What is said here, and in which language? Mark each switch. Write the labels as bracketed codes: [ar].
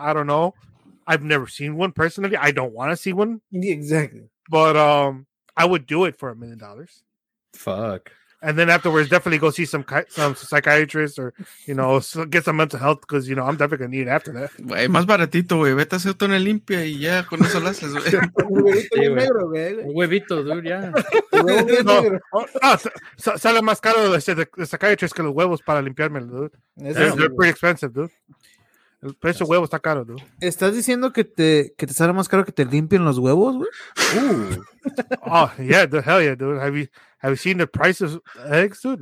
[en] I don't know. I've never seen one personally. I don't want to see one. Yeah, exactly. But I would do it for $1 million. Fuck. And then afterwards, definitely go see some psychiatrist or, you know, get some mental health because, you know, I'm definitely going to need it after that. [es] Wey, más baratito, wey. Vete a hacer una limpia y ya con eso lo haces, wey. Huevito, [en] dude, yeah. [es] No, sale más caro [en] the psychiatrist [es] que los huevos para limpiarme, dude. [en] They're pretty expensive, dude. [es] El precio de huevo está caro, dude. ¿Estás diciendo que te sale más caro que te limpien los huevos, wey? [en] Oh, yeah, dude. Hell yeah, dude. Have you seen the price of eggs, dude?